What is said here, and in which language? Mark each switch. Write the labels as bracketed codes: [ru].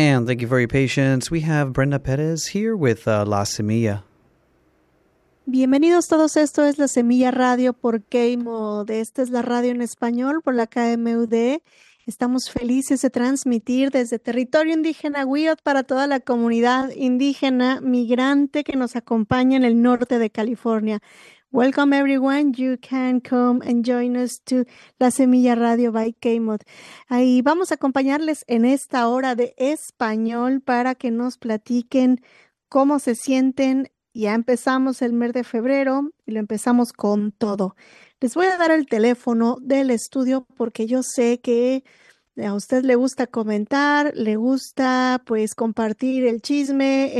[en] Thank you for your patience. We have Brenda Perez here with La Semilla. [es] Bienvenidos todos. Esto es La Semilla Radio por K-Mod. Esta es la radio en español por la KMUD. Estamos felices de transmitir desde territorio indígena Wiyot para toda la comunidad indígena migrante que nos acompaña en el norte de California. [en] Welcome, everyone. You can come and join us to La Semilla Radio by K-Mod. [es] Ahí vamos a acompañarles en esta hora de español para que nos platiquen cómo se sienten. Ya empezamos el mes de febrero y lo empezamos con todo. Les voy a dar el teléfono del estudio porque yo sé que a usted le gusta comentar, le gusta pues compartir el chisme.